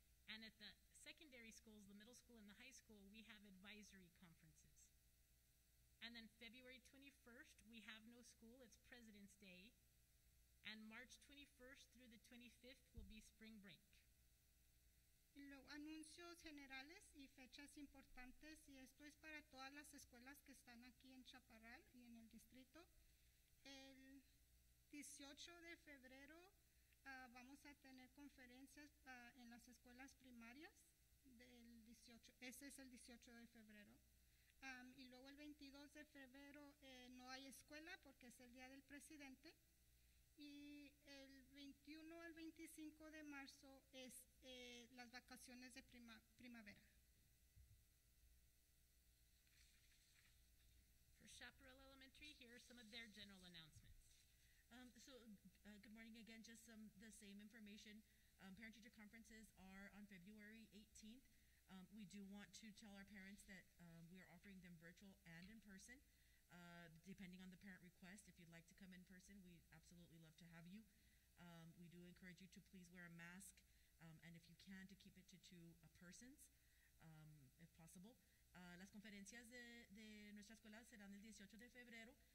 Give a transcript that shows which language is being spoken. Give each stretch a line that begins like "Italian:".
English: And at the secondary schools, the middle school and the high school, we have advisory conferences. And then February 21st, we have no school, it's President's Day. And March 21st through the 25th will be spring break.
Spanish: Y luego anuncios generales y fechas importantes, y esto es para todas las escuelas que están aquí en Chaparral y en el distrito. El 18 de febrero vamos a tener conferencias en las escuelas primarias del 18, ese es el 18 de febrero. Y luego el 22 de febrero no hay escuela porque es el día del presidente. Y el 21 al 25 de marzo es las vacaciones de primavera.
English: For Chaparral Elementary, here are some of their general announcements. Good morning again. Just some the same information. Parent-teacher conferences are on February 18th. We do want to tell our parents that we are offering them virtual and in person. Depending on the parent request, if you'd like to come in person, we'd absolutely love to have you. We do encourage you to please wear a mask, and if you can, to keep it to two persons, if possible.
Spanish: Las conferencias de nuestra escuela serán el 18 de febrero.